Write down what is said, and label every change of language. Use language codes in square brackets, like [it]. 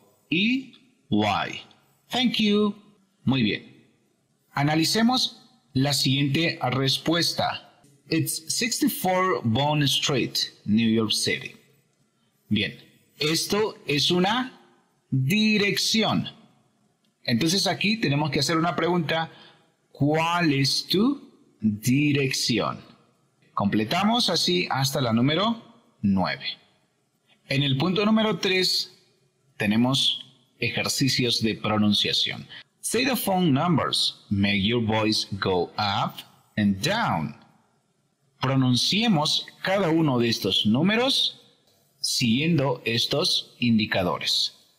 [en] H-A-L-L-E-Y. Thank you. [es] Muy bien. Analicemos la siguiente respuesta. [en] It's 64 Bond Street, New York City. [es] Bien. Esto es una dirección. Entonces aquí tenemos que hacer una pregunta. ¿Cuál es tu dirección? Completamos así hasta la número 9. En el punto número 3 tenemos ejercicios de pronunciación. [en] Say the phone numbers. Make your voice go up and down. [es] Pronunciemos cada uno de estos números siguiendo estos indicadores.